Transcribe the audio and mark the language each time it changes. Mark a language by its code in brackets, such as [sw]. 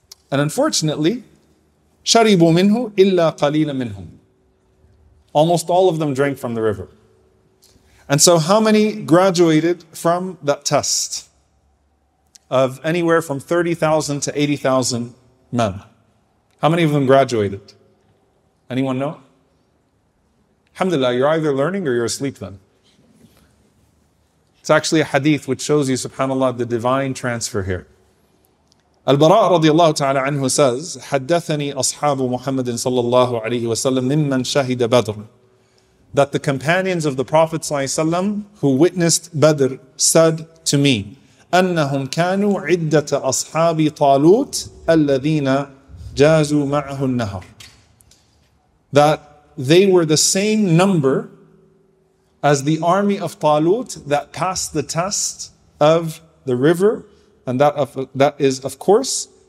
[en] And unfortunately, [ar] شَرِبُوا مِنْهُ إِلَّا قَلِيلًا مِنْهُمْ. [en] Almost all of them drank from the river. And so how many graduated from that test? Of anywhere from 30,000 to 80,000 men. How many of them graduated? Anyone know? Alhamdulillah, you're either learning or you're asleep then. It's actually a hadith which shows you, subhanAllah, the divine transfer here. Al-Bara' radiallahu ta'ala anhu says, [ar] حَدَّثَنِي أَصْحَابُ مُحَمَّدٍ صَلَّى اللَّهُ عَلَيْهِ وَسَلَّمْ مِمَّنْ شَهِدَ بَدْرٍ. [en] That the companions of the Prophet ﷺ who witnessed Badr said to me, [ar] أَنَّهُمْ كَانُوا عِدَّةَ أَصْحَابِ طَالُوتِ الَّذِينَ جَازُوا مَعَهُ النَّهَرِ. [en] That they were the same number as the army of Talut that passed the test of the river, and that is, of course,